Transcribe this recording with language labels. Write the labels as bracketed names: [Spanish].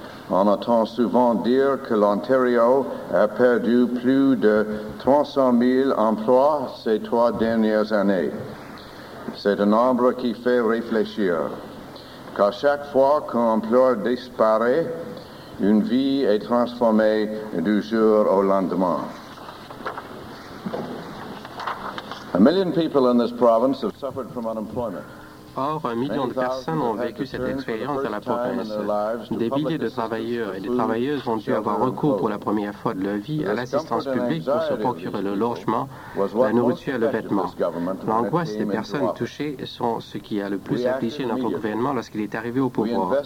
[French] On entend souvent dire que l'Ontario a perdu plus de 300 000 emplois ces trois dernières années. C'est un nombre qui fait réfléchir, car chaque fois qu'un emploi disparaît, une vie est transformée du jour au lendemain. [English] A million people in this province have suffered from unemployment. [French] Or, 1 million de personnes ont vécu cette expérience dans la province. Des milliers de travailleurs et de travailleuses ont dû avoir recours pour la première fois de leur vie à l'assistance publique pour se procurer le logement, la nourriture et le vêtement. L'angoisse des personnes touchées sont ce qui a le plus affligé notre gouvernement lorsqu'il est arrivé au pouvoir.